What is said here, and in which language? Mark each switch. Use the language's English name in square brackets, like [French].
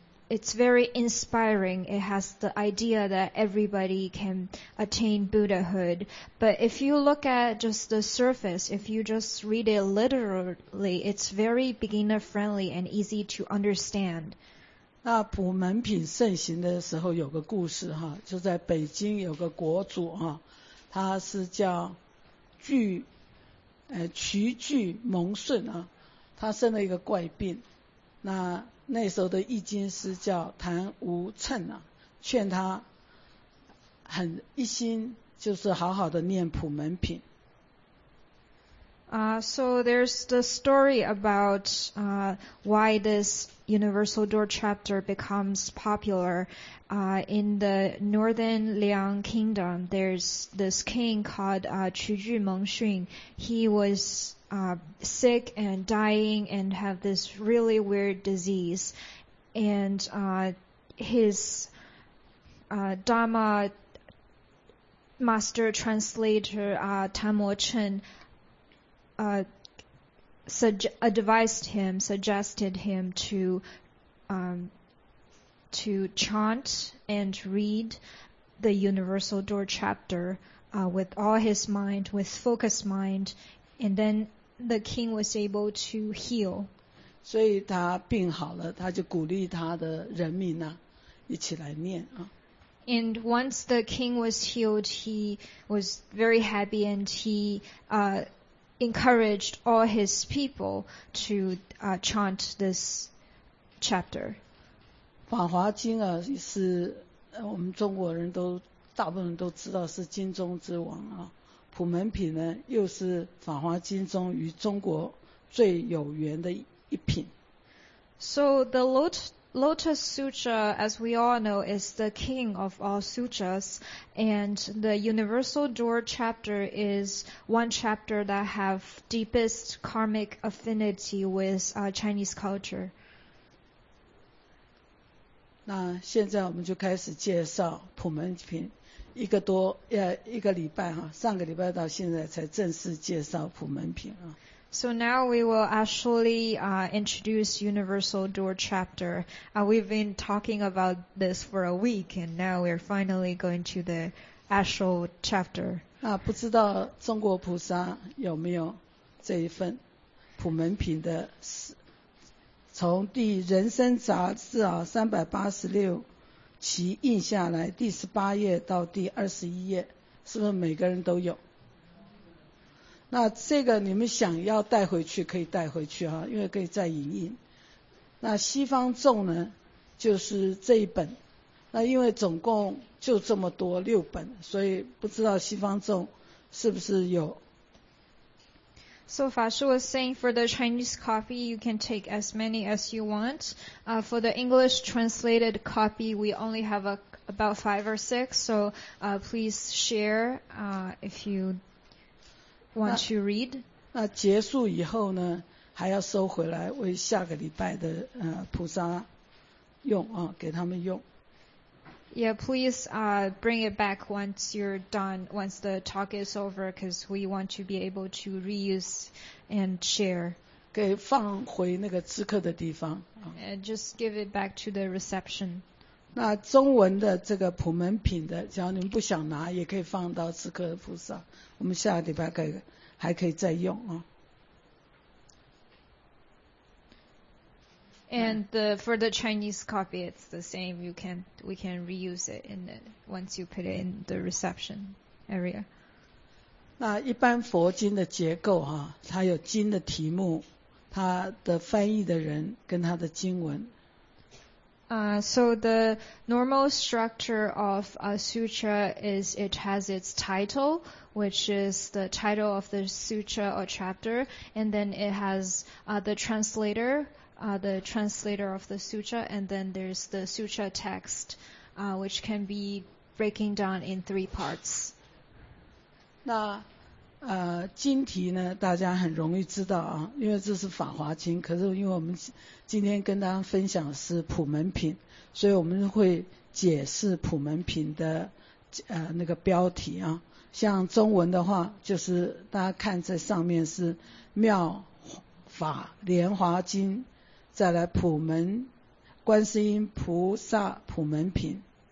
[English] It's very inspiring. It has the idea that everybody can attain Buddhahood. But if you look at just the surface, if you just read it literally, it's very beginner friendly and easy to understand. [Chinese] 那普门品盛行的时候有个故事哈，就在北京有个国主哈，他是叫瞿聚蒙顺啊，他生了一个怪病，那时候的易经师叫谭无称啊，劝他很一心就是好好的念普门品。 [English] So there's the story about why this Universal Door chapter becomes popular. In the Northern Liang Kingdom, there's this king called Qu Ju Mengxun. He was sick and dying and have this really weird disease. And his Dharma master translator, Tan Mo Chen, suggested him to chant and read the Universal Door chapter with all his mind, with focused mind, and then the king was able to heal. [Chinese] 所以他病好了，他就鼓励他的人民呢，一起来念啊。 [English] And once the king was healed, he was very happy and he encouraged all his people to chant this chapter. [Chinese] 法华经啊，是我们中国人都大部分都知道是经中之王啊。普门品呢，又是法华经中与中国最有缘的一品。 [English] So the Lotus Sutra, as we all know, is the king of all sutras, and the Universal Door chapter is one chapter that have deepest karmic affinity with Chinese culture. [Chinese] 那现在我们就开始介绍普门品，一个礼拜哈，上个礼拜到现在才正式介绍普门品啊。 [English] So now we will actually introduce Universal Door chapter. We've been talking about this for a week, and now we're finally going to the actual chapter. [Chinese] 啊，不知道中国菩萨有没有这一份普门品的，从第人生杂志啊386期印下来第18页到第21页，是不是每个人都有？那这个你们想要带回去可以带回去哈，因为可以再影印。那西方众呢，就是这一本。那因为总共就这么多六本，所以不知道西方众是不是有。 [English] So Fa Shi was saying for the Chinese copy, you can take as many as you want. For the English translated copy, we only have about 5 or 6. So please share if you want to read. [Chinese] 那结束以后呢，还要收回来为下个礼拜的菩萨用啊，给他们用。 [English] Yeah, please bring it back once you're done, once the talk is over, because we want to be able to reuse and share. [Chinese] 给放回那个知客的地方。 [English] And just give it back to the reception. [Chinese] 那中文的这个普门品的，只要你们不想拿，也可以放到知客菩萨。我们下个礼拜还可以再用啊。 [English] And for the Chinese copy, it's the same. We can reuse it in it once you put it in the reception area. [Chinese] 那一般佛经的结构哈，它有经的题目，它的翻译的人跟它的经文。 [English] So the normal structure of a sutra is it has its title, which is the title of the sutra or chapter, and then it has the translator. The translator of the sutra, and then there's the sutra text, which can be breaking down in 3 parts. 那 [Chinese] 经题呢大家很容易知道啊，因为这是法华经，可是因为我们今天跟大家分享是普门品，所以我们会解释普门品的那个标题啊。像中文的话就是大家看在上面是妙法莲华经，再来普门观世音菩萨普门品。